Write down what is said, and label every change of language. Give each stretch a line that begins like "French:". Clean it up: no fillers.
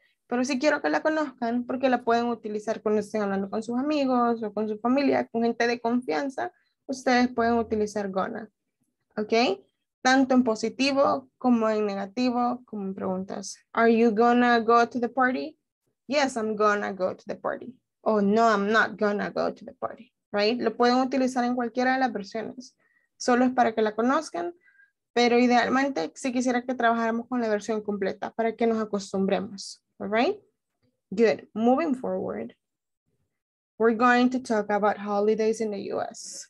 Spanish: Pero sí quiero que la conozcan porque la pueden utilizar cuando estén hablando con sus amigos o con su familia, con gente de confianza, ustedes pueden utilizar gonna. ¿Ok? Tanto en positivo como en negativo, como en preguntas.
English: Are you gonna go to the party? Yes, I'm gonna go to the party.
Spanish: O no,
English: I'm not gonna go to the party. Right?
Spanish: Lo pueden utilizar en cualquiera de las versiones. Solo es para que la conozcan, pero idealmente sí quisiera que trabajáramos con la versión completa para que nos acostumbremos.
English: All right? Good. Moving forward, we're going to talk about holidays in the US.